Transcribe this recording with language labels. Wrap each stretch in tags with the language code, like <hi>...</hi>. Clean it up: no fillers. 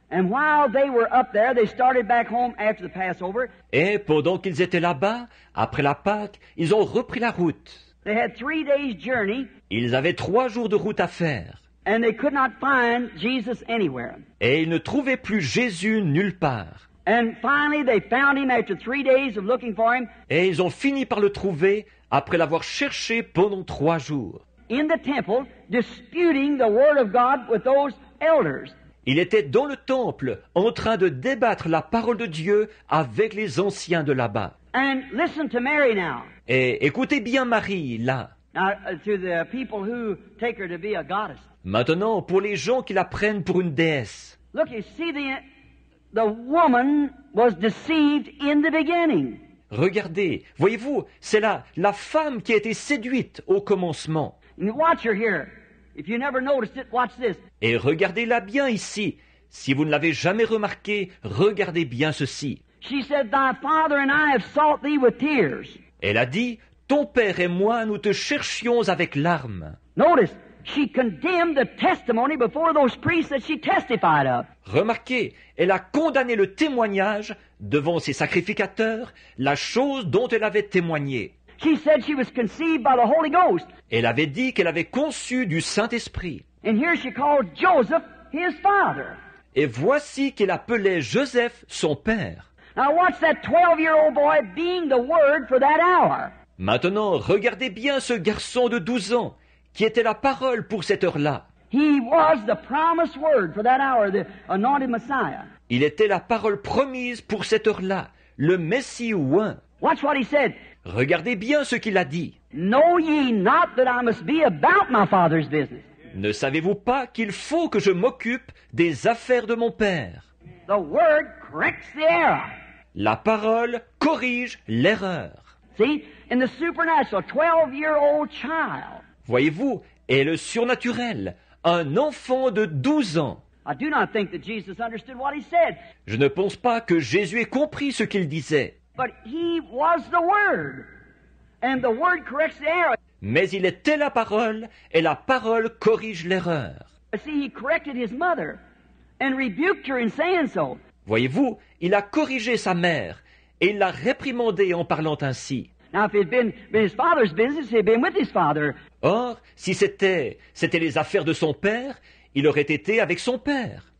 <en>And while they were up there, they started back home after the Passover.</en> <fr>Et pendant qu'ils étaient là-bas, après la Pâque, ils ont repris la route.</fr> <en>They had 3 days journey.</en> <fr>Ils avaient 3 jours de route à faire.</fr> <en>And they could not find Jesus anywhere.</en> <fr>Et ils ne trouvaient plus Jésus nulle part.</fr> <en>And finally they found him after 3 days of looking for him.</en> <fr>Et ils ont fini par le trouver après l'avoir cherché pendant 3 jours.</fr> <en>In the temple, disputing the word of God with those elders.</en> <fr>Il était dans le temple en train de débattre la parole de Dieu avec les anciens de là-bas.</fr> <en>And listen to Mary now.</en> <fr>Et écoutez bien Marie là.</fr> <en>Now, to the people who take her to be a goddess.</en> <fr>Maintenant, pour les gens qui la prennent pour une déesse.</fr> <en>Look, you see the woman was deceived in the beginning.</en> <fr>Regardez, voyez-vous, c'est la femme qui a été séduite au commencement.</fr> <en>And watch her here. If you never noticed it, watch this.</en> <fr>Et regardez-la bien ici. Si vous ne l'avez jamais remarqué, regardez bien ceci.</fr> <en>She said, "Thy father and I have sought thee with tears."</en> <fr>Elle a dit, ton père et moi, nous te cherchions avec larmes.</fr> <en>Notice, she condemned the testimony before those priests that she testified of.</en> <fr>Remarquez, elle a condamné le témoignage devant ses sacrificateurs, la chose dont elle avait témoigné.</fr> <en>She said she was conceived by the Holy Ghost.</en> <fr>Elle avait dit qu'elle avait conçu du Saint-Esprit.</fr> <en>And here she called Joseph his father.</en> <fr>Et voici qu'elle appelait Joseph son père.</fr> <en>Now watch that 12-year-old boy being the word for that hour.</en> <fr>Maintenant, regardez bien ce garçon de 12 ans qui était la parole pour cette heure-là.</fr> <en>He was the promised word for that hour, the anointed Messiah.</en> <fr>Il était la parole promise pour cette heure-là, le Messie oint.</fr> <en>Watch what he said.</en> <fr>Regardez bien ce qu'il a dit.</fr> <en>Know ye not that I must be about my father's business?</en> <fr>Ne savez-vous pas qu'il faut que je m'occupe des affaires de mon père?</fr> <en>The word corrects the error.</en> <fr>La parole corrige l'erreur.</fr> <en>See, in the supernatural, 12-year-old child.</en> <fr>Voyez-vous, et le surnaturel, un enfant de 12 ans.</fr> <en>I do not think that Jesus understood what he said.</en> <fr>Je ne pense pas que Jésus ait compris ce qu'il disait.</fr> <en>But he was the word, and the word corrects the error.</en> <fr>Mais il était la parole, et la parole corrige l'erreur.</fr> <en>See, he corrected his mother, and rebuked her in saying so.</en> <fr>Voyez-vous, il a corrigé sa mère, et il l'a réprimandée en parlant ainsi.</fr> <en>Now, if it'd been his father's business, he'd been with his father.</en> <fr>Or, si c'était les affaires de son père, il aurait été avec son père.</fr>